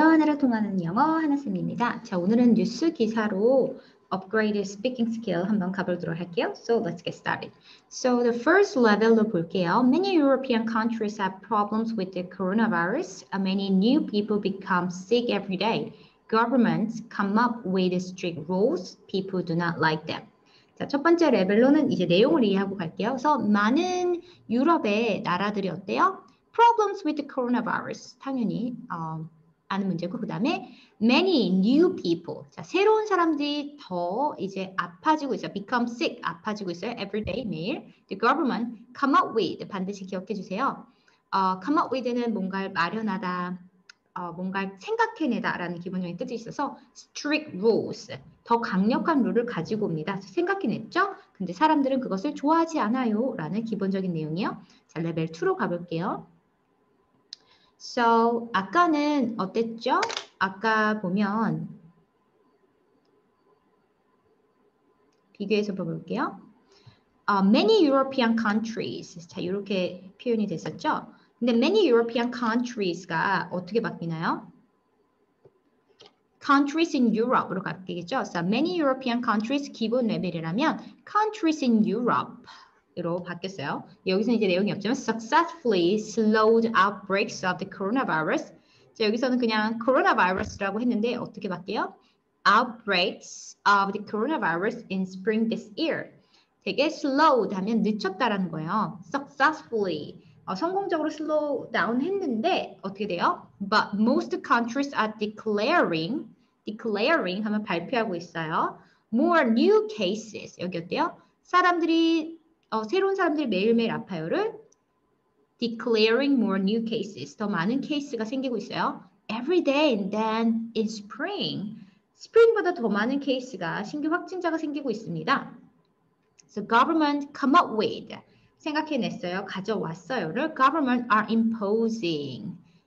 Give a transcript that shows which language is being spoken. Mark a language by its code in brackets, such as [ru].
[ko] 하나로 통하는 영어 하나쌤입니다. 자, 오늘은 뉴스 기사로 [en] upgraded speaking skill [ko] 한번 가보도록 할게요. [en] So let's get started. So the first level로 볼게요. Many European countries have problems with the coronavirus. Many new people become sick every day. Governments come up with strict rules. People do not like them. [ko] 자, 첫 번째 레벨로는 이제 내용을 이해하고 갈게요. 그래서 많은 유럽의 나라들이 어때요? [en] Problems with the coronavirus. [ko] 당연히 아는 문제고, 그 다음에 [en] many new people. [ko] 자, 새로운 사람들이 더 이제 아파지고 있어요. [en] become sick. [ko] 아파지고 있어요. [en] every day, 매일. the government come up with. [ko] 반드시 기억해 주세요. [en] come up with [ko] 는 뭔가를 마련하다. 뭔가를 생각해내다라는 기본적인 뜻이 있어서 [en] strict rules. [ko] 더 강력한 룰을 가지고 옵니다. 생각해냈죠? 근데 사람들은 그것을 좋아하지 않아요. 라는 기본적인 내용이요. 자, 레벨 2로 가볼게요. So, 아까는 어땠죠? 아까 보면, 비교해서 볼게요. [en] many European countries. [ko] 자, 이렇게 표현이 됐었죠? 근데 [en] many European countries [ko] 가 어떻게 바뀌나요? [en] countries in Europe으로 바뀌겠죠? So, many European countries [ko] 기본 레벨이라면, [en] countries in Europe. [ko] 로 바뀌었어요. 여기서는 이제 내용이 없지만 [en] successfully slowed outbreaks of the coronavirus. [ko] 자, 여기서는 그냥 coronavirus라고 했는데 어떻게 바뀌어요? [en] outbreaks of the coronavirus in spring this year. [ko] 되게 slowed 하면 늦췄다라는 거예요. successfully 성공적으로 [en] slow down [ko] 했는데 어떻게 돼요? [en] but most countries are declaring [ko] 하면 발표하고 있어요. [en] more new cases [ko] 여기 어때요? 사람들이 새로운 사람들이 매일매일 아파요를 [en] declaring more new cases. [ko] 더 많은 케이스가 생기고 있어요. [en] Every day and then in spring. [ko] 스프링보다 더 많은 케이스가 신규 확진자가 생기고 있습니다. [en] So government come up with. [ko] 생각해냈어요. 가져왔어요를 [en] government are imposing.